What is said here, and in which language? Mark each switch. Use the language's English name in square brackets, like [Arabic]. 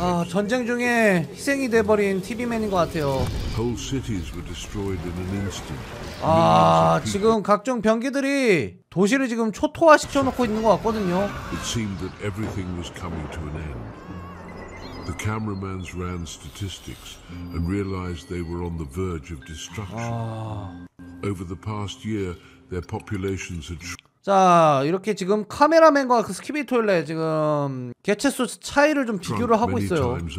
[Korean] 전쟁 중에 희생이 돼버린 TV 맨인 것 같아요. [English] Whole cities were destroyed in an instant. [Korean] 아, 지금 각종 병기들이 도시를 지금 초토화 시켜놓고 있는 것 같거든요. [English] It seemed that everything was coming to an end. The cameraman ran statistics and realized they were on the verge of destruction. Over the past year, their populations had. [Korean] 자, 이렇게 지금 카메라맨과 그 스키비 토일렛 지금 개체 수 차이를 좀 비교를 하고 있어요.